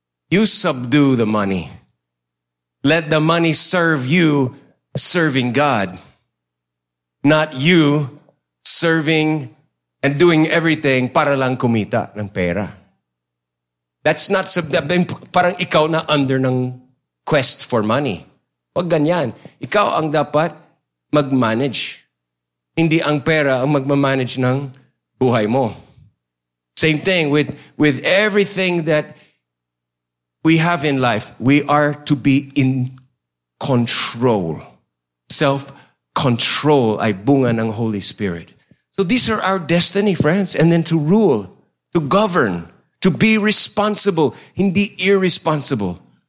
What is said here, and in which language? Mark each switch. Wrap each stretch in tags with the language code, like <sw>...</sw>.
<en>You subdue the money. Let the money serve you serving God. Not you serving and doing everything</en> <tl>para lang kumita ng pera.</tl> <en>That's not</en> <tl>parang ikaw na</tl> <en>under ng quest for money.</en> <tl>Huwag ganyan. Ikaw ang dapat mag-manage. Hindi ang pera ang mag-manage ng buhay mo.</tl> <en>Same thing with everything that we have in life. We are to be in control.</en> <tl>Self-control ay bunga ng Holy Spirit.</tl> <en>So these are our destiny, friends. And then to rule, to govern, to be responsible,</en> <tl>hindi</tl> <en>irresponsible.</en>